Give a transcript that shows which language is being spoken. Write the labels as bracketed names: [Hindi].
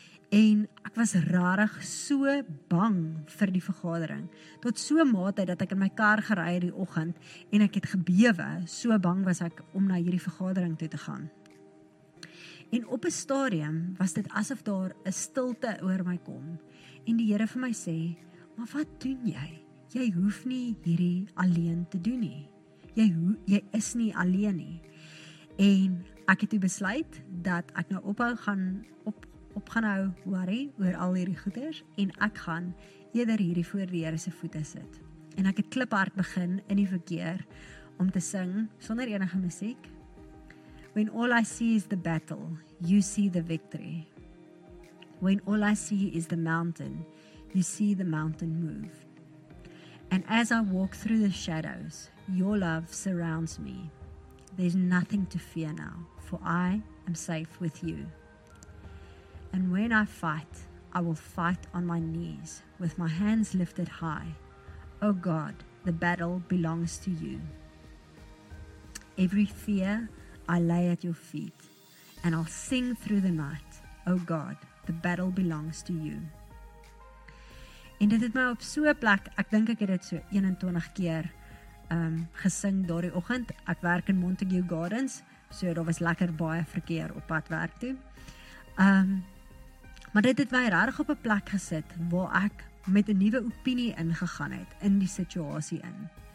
[Afrikaans] En ek was rarig so bang vir die vergadering, tot so mate dat ek in my kar gery het die oggend en ek het gebewe, so bang was ek om na hierdie vergadering toe te gaan. En op 'n stadium was dit asof daar 'n stilte oor my kom en die Here vir my sê, maar wat doen jy? Jy hoef nie hierdie alleen te doen nie. Jy is nie alleen nie. En ek het toe besluit dat ek nou gaan hou worry oor al hierdie goeders en ek gaan eerder hierdie voor die Here se voete sit. En ek het kliphard begin in die verkeer om te sing sonder enige musiek. [English] When all I see is the battle, you see the victory. When all I see is the mountain, you see the mountain move. And as I walk through the shadows, your love surrounds me. There's nothing to fear now, for I am safe with you. And when I fight, I will fight on my knees with my hands lifted high. Oh God, the battle belongs to you. Every fear I lay at your feet, and I'll sing through the night. Oh God, the battle belongs to you. [Afrikaans] En dit het my op so 'n plek, ek dink ek het dit so 21 keer gesing daardie oggend. Ek werk in Montague Gardens, so daar was lekker baie verkeer op pad werk toe. Maar dit het my regtig op 'n plek gesit waar ek met 'n nuwe opinie ingegaan het in die situasie in.